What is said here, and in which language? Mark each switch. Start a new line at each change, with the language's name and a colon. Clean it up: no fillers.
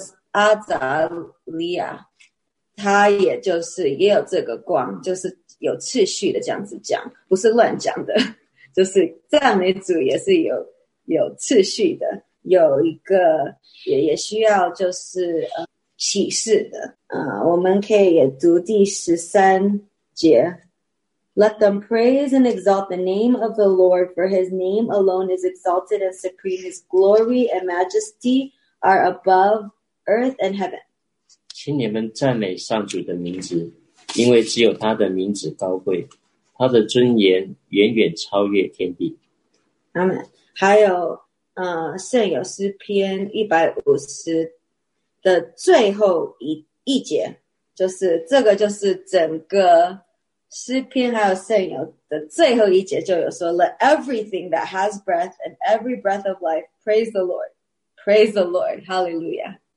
Chinese: 阿扎利亚他也就是也有这个光，就是有次序的这样子讲，不是乱讲的，就是赞美主也是有次序的，有一个也需要就是启示的。我们可以也读第十三节。
English: Let them praise and exalt the name of the Lord, for his name alone is exalted and supreme, his glory and majestyare above earth and heaven.
Chinese: 请你们赞美上主的名字，因为只有他的名字高贵，他的尊严远远超越天地。 Amen. 还有圣咏诗篇150 的最后 一节，就是这个就是整个诗篇还有圣咏的最后一节，就有说
English: Let everything that has breath and every breath of life praise the Lord. Praise the Lord. Hallelujah.